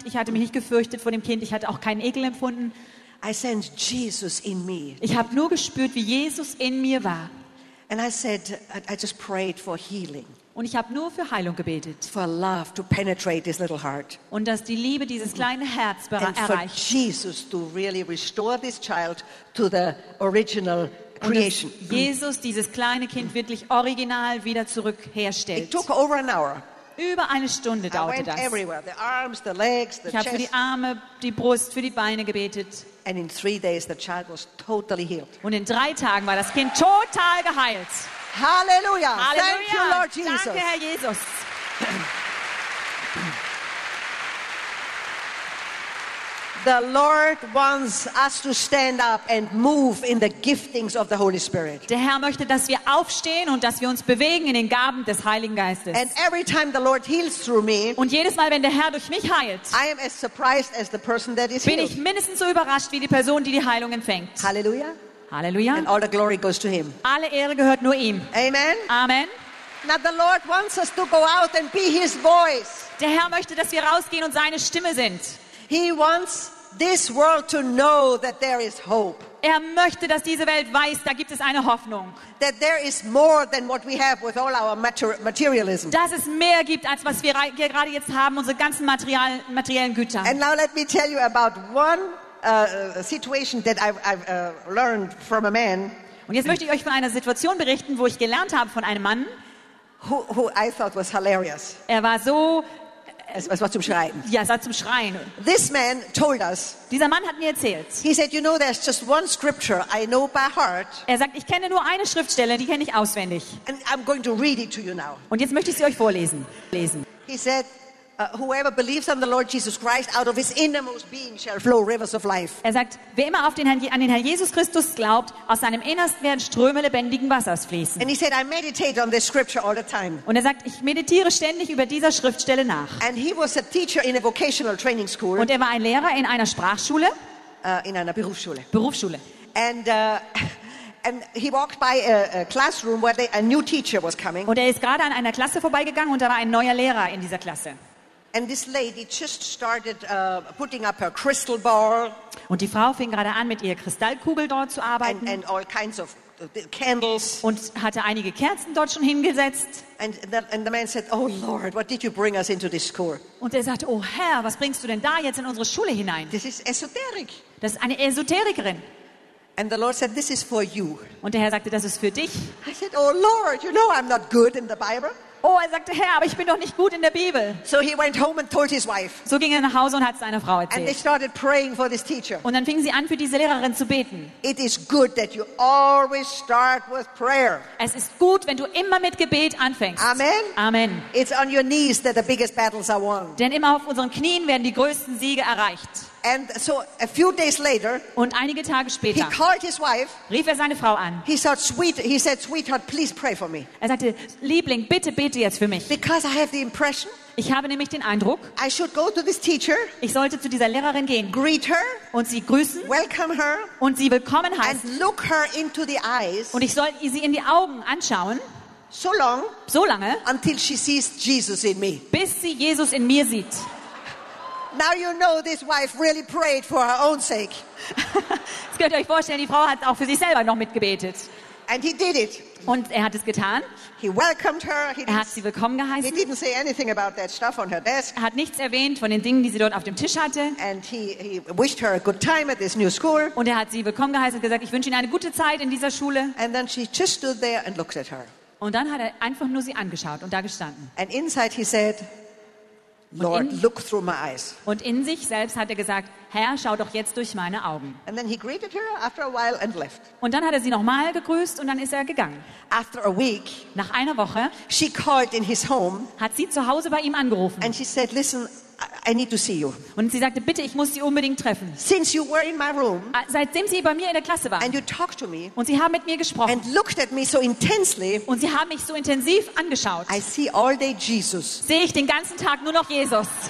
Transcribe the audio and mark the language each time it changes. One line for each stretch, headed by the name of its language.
German: Ich hatte mich nicht gefürchtet vor dem Kind. Ich hatte auch keinen Ekel empfunden.
English: I sensed Jesus in me.
German: Ich habe nur gespürt, wie Jesus in mir war.
English: And I said, I just prayed for healing.
German: Und ich habe nur für Heilung gebetet.
English: For love to penetrate this little heart.
German: Und dass die Liebe dieses kleine Herz erreicht.
English: And for Jesus to really restore this child to the original creation.
German: Und dass Jesus dieses kleine Kind wirklich original wieder zurückherstellt.
English: It took over an hour.
German: Über eine Stunde dauerte das.
English: Everywhere. The arms, the legs, the
German: ich habe für die Arme, die Brust, für die Beine gebetet.
English: And in 3 days the child was totally healed.
German: Und in 3 Tagen war das Kind total geheilt. Halleluja. Halleluja.
English: Thank you, Lord Jesus.
German: Danke, Herr Jesus.
English: The Lord wants us to stand up and move in the giftings of the Holy Spirit.
German: Der Herr möchte, dass wir aufstehen und dass wir uns bewegen in den Gaben des Heiligen Geistes.
English: And every time the Lord heals through me,
German: und jedes Mal, wenn der Herr durch mich heilt,
English: I am as surprised as the person that is
German: bin
English: healed.
German: Ich mindestens so überrascht wie die Person, die die Heilung empfängt.
English: Hallelujah.
German: Halleluja.
English: And all the glory goes to him.
German: Alle Ehre gehört nur ihm.
English: Amen.
German: Amen.
English: Now the Lord wants us to go out and be his voice.
German: Der Herr möchte, dass wir rausgehen und seine Stimme sind.
English: He wants this world to know that there is hope.
German: Er möchte, dass diese Welt weiß, da gibt es eine Hoffnung.
English: That there is more than what we have with all our materialism.
German: Dass es mehr gibt als was wir gerade jetzt haben, unsere ganzen materiellen Güter.
English: And now let me tell you about one situation that I've learned from a man.
German: Und jetzt möchte ich euch von einer Situation berichten, wo ich gelernt habe von einem Mann,
English: who I thought was hilarious.
German: Er war so. Es war zum Schreien. Ja, es war zum Schreien.
English: This man told us.
German: Dieser Mann hat mir erzählt.
English: He said, you know, there's just one scripture I know by heart.
German: Er sagt, ich kenne nur eine Schriftstelle, die kenne ich auswendig.
English: And I'm going to read it to you now.
German: Und jetzt möchte ich sie euch vorlesen. Lesen.
English: He said, whoever believes on the Lord Jesus Christ, out of his innermost being shall flow rivers of life.
German: Er sagt, wer immer auf den Herrn, an den Herrn Jesus Christus glaubt, aus seinem Innersten werden Ströme lebendigen Wassers fließen.
English: And he said, I meditate on this scripture all the time.
German: Und er sagt, ich meditiere ständig über dieser Schriftstelle nach.
English: And he was a teacher in a vocational training school.
German: Und er war ein Lehrer in einer Sprachschule. In einer Berufsschule. Berufsschule.
English: And he walked by a classroom where a new teacher was coming.
German: Und er ist gerade an einer Klasse vorbeigegangen und da war ein neuer Lehrer in dieser Klasse.
English: And this lady just started putting up her crystal ball.
German: Und die Frau fing gerade an, mit ihrer Kristallkugel dort zu arbeiten.
English: And all kinds of candles.
German: Und hatte einige Kerzen dort schon hingesetzt.
English: And the man said, "Oh Lord, what did you bring us into this school?"
German: Und er sagte, "Oh Herr, was bringst du denn da jetzt in unsere Schule hinein?"
English: This is esoteric.
German: Das ist eine Esoterikerin.
English: And the Lord said, "This is for you."
German: Und der Herr sagte, das ist für dich.
English: I said, "Oh Lord, you know I'm not good in the Bible."
German: Oh, er sagte, Herr, aber ich bin doch nicht gut in der Bibel.
English: So he went home and told his wife.
German: So ging er nach Hause und hat es seiner Frau erzählt.
English: And they started praying for this teacher.
German: Und dann fingen sie an, für diese Lehrerin zu beten.
English: It is good that you always start with prayer.
German: Es ist gut, wenn du immer mit Gebet anfängst.
English: Amen.
German: Amen.
English: It's on your knees that the biggest battles are won.
German: Denn immer auf unseren Knien werden die größten Siege erreicht.
English: And so a few days later,
German: und einige Tage später,
English: he called his wife,
German: rief er seine Frau an.
English: He said, "Sweetheart, please pray for me."
German: Er sagte, Liebling, bitte bete jetzt für mich.
English: Because I have the impression,
German: ich habe nämlich den Eindruck,
English: I should go to this teacher,
German: ich sollte zu dieser Lehrerin gehen,
English: greet her,
German: und sie grüßen,
English: welcome her,
German: und sie willkommen heißen,
English: and look her into the eyes,
German: und ich soll sie in die Augen anschauen,
English: so long,
German: so lange,
English: until she sees Jesus in me,
German: bis sie Jesus in mir sieht.
English: Now you know this wife really prayed for her own sake.
German: Jetzt könnt ihr euch vorstellen, die Frau hat auch für sich selber noch mitgebetet.
English: And he did it.
German: Und er hat es getan.
English: He welcomed her.
German: Er hat sie willkommen geheißen.
English: He didn't say anything about that stuff on her desk.
German: Er hat nichts erwähnt von den Dingen, die sie dort auf dem Tisch hatte.
English: And he wished her a good time at this new school.
German: Und er hat sie willkommen geheißen und gesagt, ich wünsche Ihnen eine gute Zeit in dieser Schule.
English: And then she just stood there and looked at her.
German: Und dann hat er einfach nur sie angeschaut und da gestanden.
English: And inside he said, Lord, look through my eyes.
German: Und in sich selbst hat er gesagt, Herr, schau doch jetzt durch meine Augen.
English: And then he greeted her after a while and left.
German: Und dann hat er sie nochmal gegrüßt und dann ist er gegangen.
English: After a week,
German: nach einer Woche,
English: she called in his home,
German: hat sie zu Hause bei ihm angerufen.
English: And she said, listen, I need to see you.
German: Und sie sagte, bitte, ich muss Sie unbedingt treffen.
English: Since you were in my room,
German: seitdem Sie bei mir in der Klasse waren,
English: and you talked to me,
German: und Sie haben mit mir gesprochen,
English: and looked at me so intensely,
German: und Sie haben mich so intensiv angeschaut,
English: I see all day Jesus.
German: Sehe ich den ganzen Tag nur noch Jesus.